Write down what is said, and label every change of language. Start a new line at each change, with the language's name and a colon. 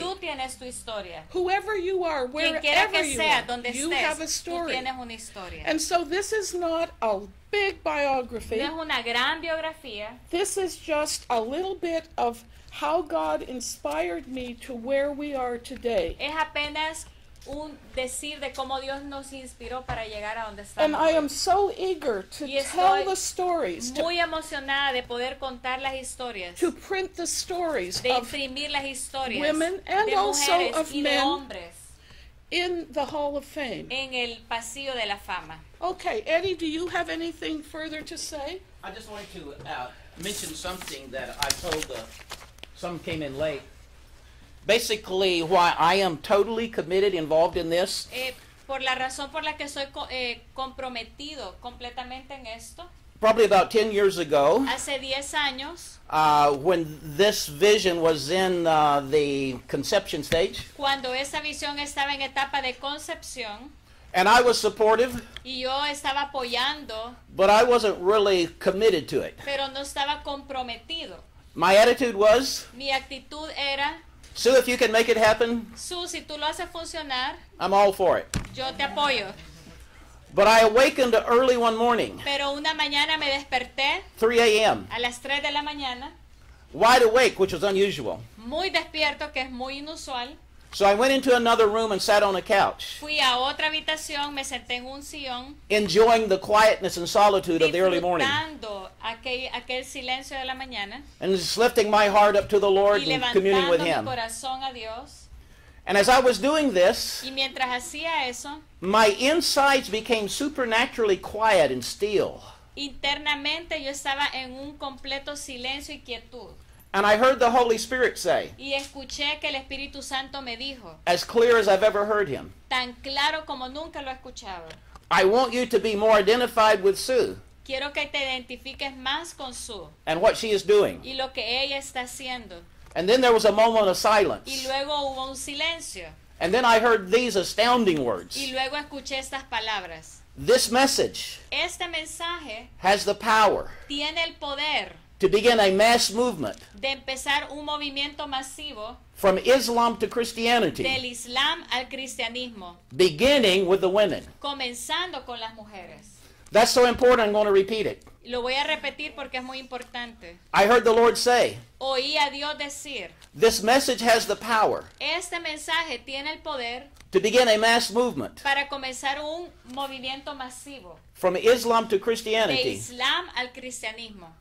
Spanish: Tú tienes tu historia.
English: Whoever you are, wherever
Spanish: quien quiera que
English: you
Spanish: sea,
English: are,
Spanish: donde
English: you
Spanish: estés,
English: have a story.
Spanish: Tú tienes una historia.
English: And so this is not a big biography.
Spanish: No es una gran biografía.
English: This is just a little bit of how God inspired me to where we are today.
Spanish: Es apenas un decir de cómo Dios nos inspiró para llegar a donde estamos.
English: And I am so eager to tell the stories.
Spanish: Muy emocionada de poder contar las historias.
English: To print the stories
Spanish: de imprimir las historias
English: of women and
Spanish: de
English: also of
Spanish: y
English: men
Spanish: de hombres
English: in the Hall of Fame.
Spanish: En el pasillo de la fama.
English: Okay, Eddie, do you have anything further to say? I just wanted to mention something that I told the some came in late. Basically, why I am totally committed, involved in this.
Spanish: Por la razón por la que soy comprometido completamente en esto.
English: Probably about 10 years ago.
Spanish: Hace 10 años.
English: When this vision was in the conception stage.
Spanish: Cuando esa visión estaba en etapa de concepción.
English: And I was supportive.
Spanish: Y yo estaba apoyando.
English: But I wasn't really committed to it.
Spanish: Pero no estaba comprometido.
English: My attitude was.
Spanish: Mi actitud era.
English: Sue, if you can make it happen.
Spanish: Sue, si tú lo haces funcionar.
English: I'm all for it.
Spanish: Yo te apoyo.
English: But I awakened early one morning.
Spanish: Pero una mañana me desperté.
English: 3 a.m.
Spanish: A las 3 de la mañana.
English: Wide awake, which was unusual.
Spanish: Muy despierto, que es muy inusual.
English: So I went into another room and sat on a couch.
Spanish: Fui a otra habitación, me senté en un sillón.
English: Enjoying the quietness and solitude of the early morning.
Spanish: Disfrutando aquel silencio de la mañana.
English: And just lifting my heart up to the Lord
Spanish: y
English: and communing with Him.
Spanish: Y levantando mi corazón a Dios.
English: And as I was doing this,
Spanish: y mientras hacía eso,
English: my insides became supernaturally quiet and still.
Spanish: Internamente yo estaba en un completo silencio y quietud.
English: And I heard the Holy Spirit say,
Spanish: y escuché que el Espíritu Santo me dijo,
English: as clear as I've ever heard him,
Spanish: tan claro como nunca lo escuchaba,
English: I want you to be more identified with Sue.
Spanish: Quiero que te identifiques más con Sue.
English: And what she is doing.
Spanish: Y lo que ella está haciendo.
English: And then there was a moment of silence.
Spanish: Y luego hubo un silencio.
English: And then I heard these astounding words.
Spanish: Y luego escuché estas palabras.
English: This message.
Spanish: Este mensaje.
English: Has the power.
Spanish: Tiene el poder.
English: To begin a mass movement.
Spanish: De empezar un movimiento masivo.
English: From Islam to Christianity.
Spanish: Del Islam al cristianismo.
English: Beginning with the women.
Spanish: Comenzando con las mujeres.
English: That's so important, I'm going to repeat it.
Spanish: Lo voy a repetir porque es muy importante.
English: I heard the Lord say.
Spanish: Oí a Dios decir.
English: This message has the power.
Spanish: Este mensaje tiene el poder.
English: To begin a mass movement.
Spanish: Para comenzar un movimiento masivo.
English: From Islam to Christianity.
Spanish: De Islam al cristianismo.